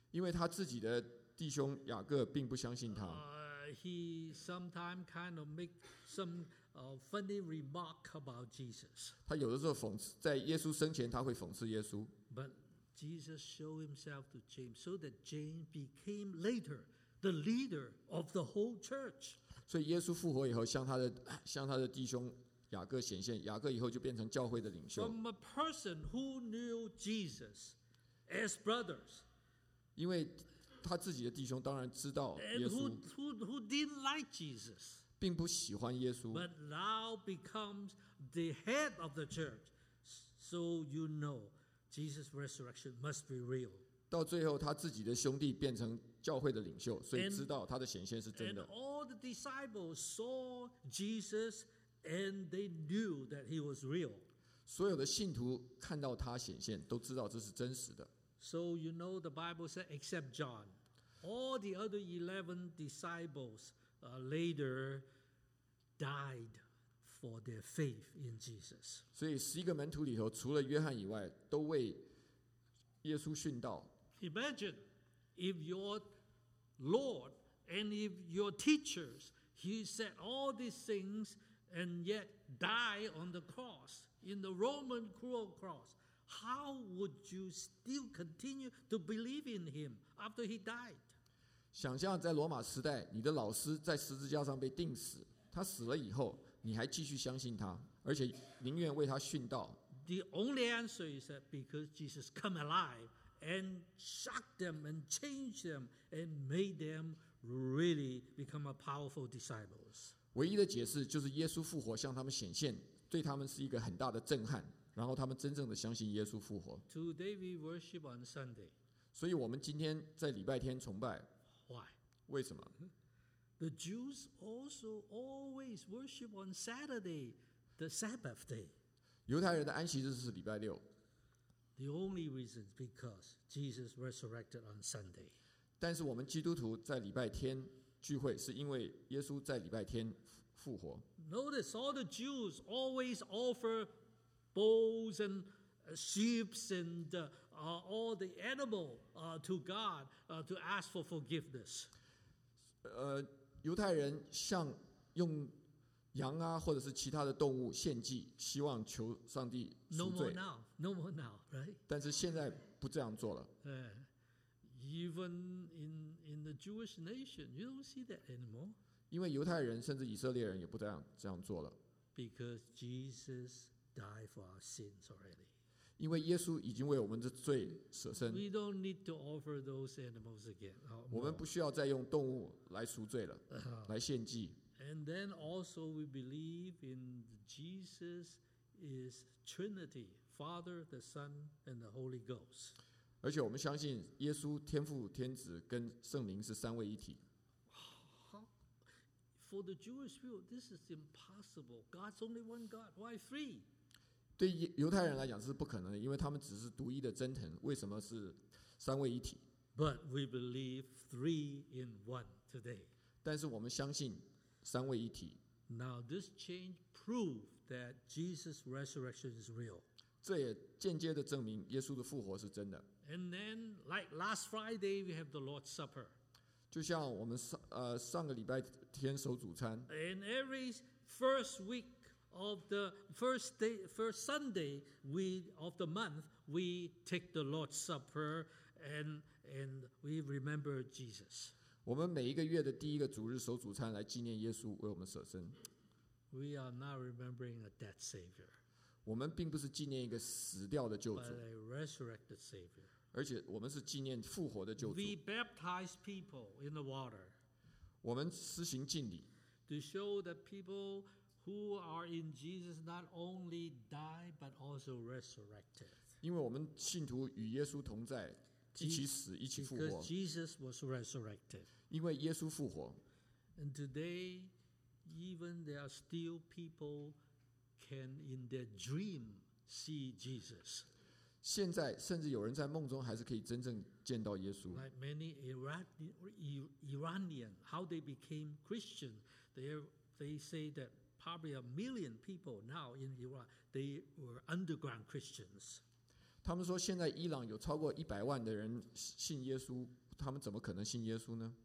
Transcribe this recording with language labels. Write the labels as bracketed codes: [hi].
[zh] 因为他自己的弟兄雅各并不相信他。 [en] He sometimes kind of make some funny remark about Jesus. [zh] 他有的时候讽刺，在耶稣生前他会讽刺耶稣。 [en] But Jesus showed himself to James so that James became later the leader of the whole church. [zh] 所以耶稣复活以后向他的弟兄雅各显现，雅各以后就变成教会的领袖。 [en] From a person who knew Jesus as brothers, [zh] 因为他自己的弟兄当然知道耶稣。 [en] And who didn't like Jesus, [zh] 并不喜欢耶稣。 [en] But now becomes the head of the church, so you know Jesus' resurrection must be real. [zh] 到最后，他自己的兄弟变成教会的领袖，所以知道他的显现是真的。 [en] And all the disciples saw Jesus, and they knew that he was real. [zh] 所有的信徒看到他显现，都知道这是真实的。 [en] So you know the Bible said, except John, all the other 11 disciples later died for their faith in Jesus. [zh] 所以十一个门徒里头，除了约翰以外，都为耶稣殉道。 [en] Imagine if your Lord and if your teachers, he said all these things and yet die on the cross, in the Roman cruel cross. How would you still continue to believe in him after he died? [zh] 想象在罗马时代，你的老师在十字架上被钉死，他死了以后，你还继续相信他。而且宁愿为他殉道。 [en] The only answer is that because Jesus come alive and shocked them and changed them and made them really become a powerful disciples. [zh] 唯一的解释就是耶稣复活向他们显现，对他们是一个很大的震撼，然后他们真正的相信耶稣复活。 [en] Today we worship on Sunday. [zh] 所以我们今天在礼拜天崇拜。 [en] Why? [zh] 为什么？ [en] The Jews also always worship on Saturday, the Sabbath day. [zh] 犹太人的安息日是礼拜六。 [en] The only reason is because Jesus resurrected on Sunday. [zh] 但是我们基督徒在礼拜天聚会，是因为耶稣在礼拜天复活。 [en] Notice all the Jews always offer bulls and sheep and all the animal to God to ask for forgiveness. [zh] 犹太人像用羊啊或者是其他的动物献祭，希望求上帝赎罪。 [en] No more now, right? [zh] 但是现在不这样做了。 [en] Even in the Jewish nation, you don't see that anymore. [zh] 因为犹太人甚至以色列人也不这样做了。 [en] Because Jesus died for our sins already. [zh] 因为耶稣已经为我们的罪舍身。 [en] We don't need to offer those animals again. [zh] 我们不需要再用动物来赎罪了，来献祭。 [en] And then also we believe in Jesus is Trinity, Father, the Son, and the Holy Ghost. [zh] 而且我们相信耶稣天父天子跟圣灵是三位一体。 [en] For the Jewish people, this is impossible. God's only one God. Why three? [zh] 对犹太人来讲是不可能的，因为他们只是独一的真神，为什么是三位一体？ [en] But we believe three in one today. [zh] 但是我们相信三位一体。 [en] Now this change proves that Jesus' resurrection is real. [zh] 这也间接的证明耶稣的复活是真的。 [en] And then, like last Friday, we have the Lord's Supper. [zh] 就像我们上个礼拜天守主餐。 [en] And every first week of the first Sunday of the month, we take the Lord's Supper and we remember Jesus. [zh] 我们每一个月的第一个主日守主餐，来纪念耶稣为我们舍身。 [en] We are not remembering a dead savior. [zh] 我们并不是纪念一个死掉的救主， [en] but a resurrected savior. [zh] 而且我们是纪念复活的救主。 [en] We baptize people in the water. [zh] 我们施行浸礼。 [en] To show that people who are in Jesus not only die but also resurrected. [zh] 因为我们信徒与耶稣同在。一起死，一起复活。 [en] Because Jesus was resurrected. [zh] 因为耶稣复活。 [en] And today, even there are still people can in their dream see Jesus. [zh] 现在甚至有人在梦中还是可以真正见到耶稣。 [en] Like many Iranian, how they became Christian, they say that probably a million people now in Iran, they were underground Christians. [zh] 他们说现在伊朗有超过100万的人信耶稣，他们怎么可能信耶稣呢？